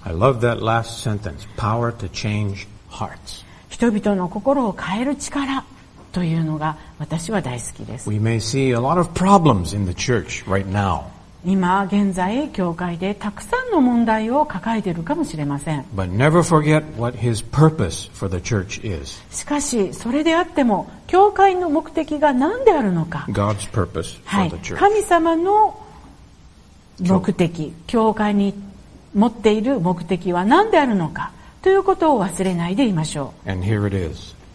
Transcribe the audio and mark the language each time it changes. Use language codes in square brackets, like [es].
[en] I love that last sentence. Power to change hearts. [ja] 人々の心を変える力というのが私は大好きです。 [en] We may see a lot of problems in the church right now. [ja] 今現在教会でたくさんの問題を抱えているかもしれません。 [en] But never forget what His purpose for the church is. [ja] しかしそれであっても。教会の目的が何であるのか。 [en] God's purpose for the church. [ja] 神様の目的、教会に持っている目的は何であるのかということを忘れないでいましょう。 [en] And here it is.